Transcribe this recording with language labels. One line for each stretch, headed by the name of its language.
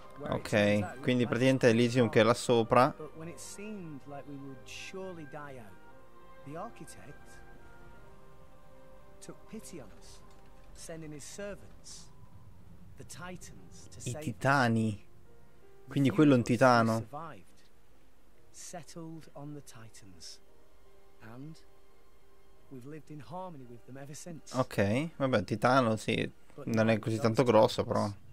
Italian: Ok, quindi praticamente è Elysium che è là sopra.
English: But when it seemed like we would surely die out, the architect took pity on us, sending his servants, the Titans, to save us.
Italian: I titani. Quindi quello è un titano.
English: Settled on the Titans, and we've lived in harmony with them ever since.
Italian: Ok, vabbè, titano, sì, non è così tanto grosso, però.